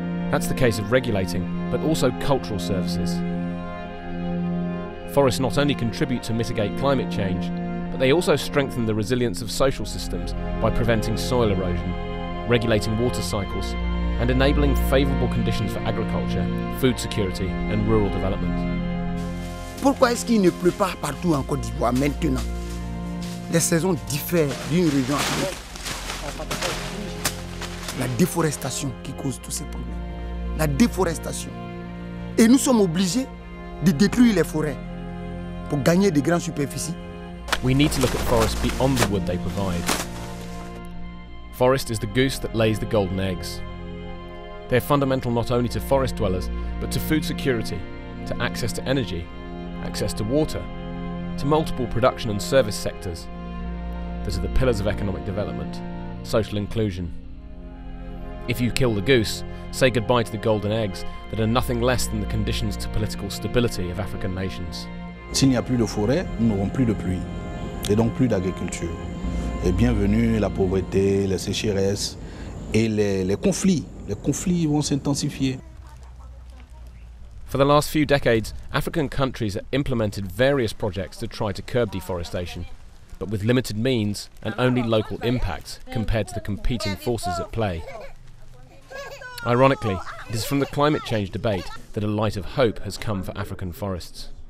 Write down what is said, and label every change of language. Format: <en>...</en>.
<en>That's the case of regulating, but also cultural services. Forests not only contribute to mitigate climate change, but they also strengthen the resilience of social systems by preventing soil erosion, regulating water cycles, and enabling favorable conditions for agriculture, food security, and rural development.</en> <fr>Pourquoi est-ce qu'il ne pleut pas partout en Côte d'Ivoire maintenant? Les saisons diffèrent d'une région à l'autre. La déforestation qui cause tous ces problèmes. La déforestation. Et nous sommes obligés de détruire les forêts pour gagner des grandes superficies.</fr> <en>We need to look at forests beyond the wood they provide. Forest is the goose that lays the golden eggs. They're fundamental not only to forest dwellers, but to food security, to access to energy, access to water, to multiple production and service sectors. Those are the pillars of economic development, social inclusion. If you kill the goose, say goodbye to the golden eggs that are nothing less than the conditions to political stability of African nations.</en> <fr>S'il n'y a plus de forêt, nous n'aurons plus de pluie, et donc plus d'agriculture. Et bienvenue la pauvreté, la sécheresse et les conflits. Les conflits vont s'intensifier.</fr> <en>For the last few decades, African countries have implemented various projects to try to curb deforestation, but with limited means and only local impacts compared to the competing forces at play. Ironically, it is from the climate change debate that a light of hope has come for African forests.</en>